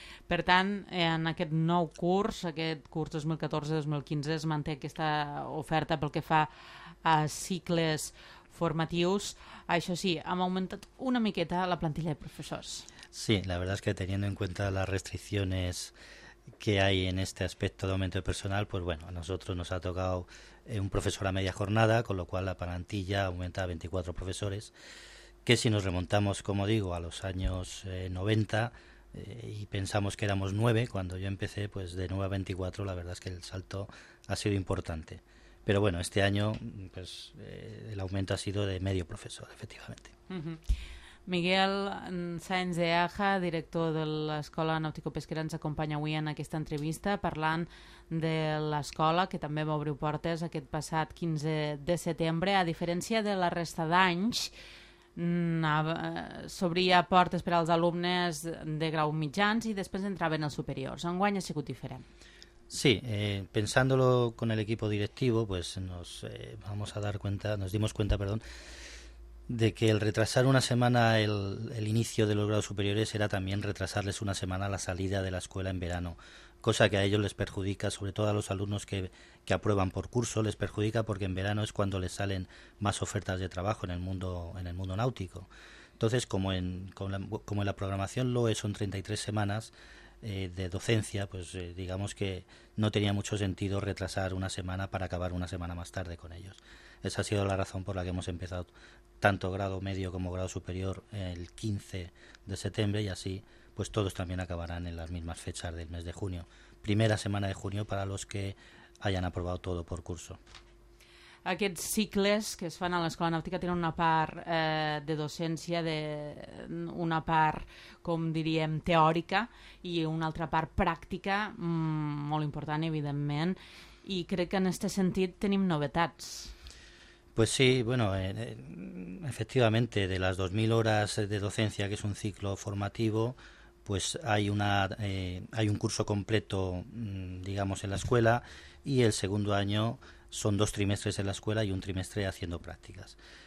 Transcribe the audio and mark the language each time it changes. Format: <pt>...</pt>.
<ca>Per tant, en aquest nou curs, aquest curs 2014-2015, es manté aquesta oferta pel que fa a cicles formatius. Això sí, hem augmentat una miqueta la plantilla de professors.</ca> <es>Sí, la verdad es que teniendo en cuenta las restricciones que hay en este aspecto de aumento de personal, pues bueno, a nosotros nos ha tocado un profesor a media jornada, con lo cual la plantilla aumenta a 24 profesores, que si nos remontamos, como digo, a los años 90 y pensamos que éramos 9 cuando yo empecé, pues de 9 a 24 la verdad es que el salto ha sido importante. Pero bueno, este año pues el aumento ha sido de medio profesor, efectivamente.</es> <ca>Miguel Sáenz de Aja, director de l'Escola Nàutico-Pesquera, ens acompanya avui en aquesta entrevista parlant de l'escola, que també va obrir portes aquest passat 15 de setembre. A diferència de la resta d'anys, s'obria portes per als alumnes de grau mitjans i després entraven els superiors. Enguany ha sigut diferent.</ca> <es>Sí, pensándolo con el equipo directivo, pues nos dimos cuenta de que el retrasar una semana el inicio de los grados superiores era también retrasarles una semana la salida de la escuela en verano, cosa que a ellos les perjudica, sobre todo a los alumnos que aprueban por curso, les perjudica porque en verano es cuando les salen más ofertas de trabajo en el mundo náutico. Entonces, como en la programación lo es, son 33 semanas de docencia, pues digamos que no tenía mucho sentido retrasar una semana para acabar una semana más tarde con ellos. Esa ha sido la razón por la que hemos empezado tanto grado medio como grado superior el 15 de septiembre, y así pues todos también acabarán en las mismas fechas del mes de junio. Primera semana de junio para los que hayan aprobado todo por curso.</es> <ca>Aquests cicles que es fan a l'Escola Nàutica tenen una part de docència, una part, com diríem, teòrica, i una altra part pràctica, molt important, evidentment, i crec que en aquest sentit tenim novetats.</ca> <es>Pues sí, bueno, efectivamente, de las 2.000 horas de docencia, que es un ciclo formativo, pues hay un curso completo, digamos, en la escuela, y el segundo año son 2 trimestres en la escuela y 1 trimestre haciendo prácticas.</es>